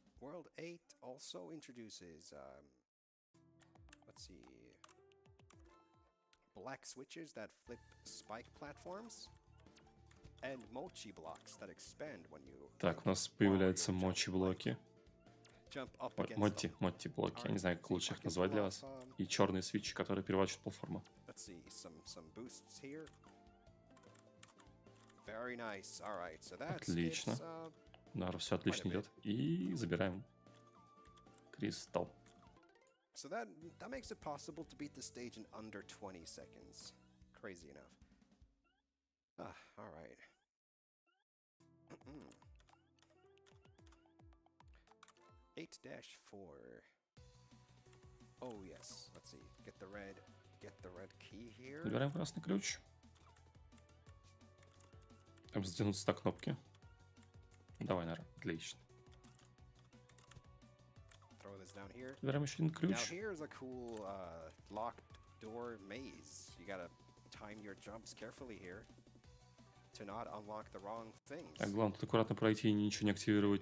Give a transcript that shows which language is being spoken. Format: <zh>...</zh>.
<en>World 8 also introduces let's see. Black switches that flip spike platforms and mochi blocks that expand when you.</en> <ru>Так, у нас появляются мочи блоки. Мочи блоки. Я не знаю, как лучше их назвать для вас. И черные свечи, которые переворачивают платформу.</ru> <en>Let's see some boosts here. Very nice. All right, so that's.</en> <ru>Отлично. Нара, все отлично идет. И забираем кристалл.</ru> <en>So that makes it possible to beat the stage in under 20 seconds. Crazy enough. All right. Mm-mm. 8-4. Oh yes. Let's see. Get the red key here.</en> <ru>Выбираем красный ключ. Там затянутся так кнопки. Давай, Нара. Отлично.</ru> <en>Throw this down here.</en> <ru>Берем еще один ключ.</ru> <en>Now here's a cool locked door maze. You gotta time your jumps carefully here to not unlock the wrong things.</en> <ru>Так, главное тут аккуратно пройти и ничего не активировать.</ru>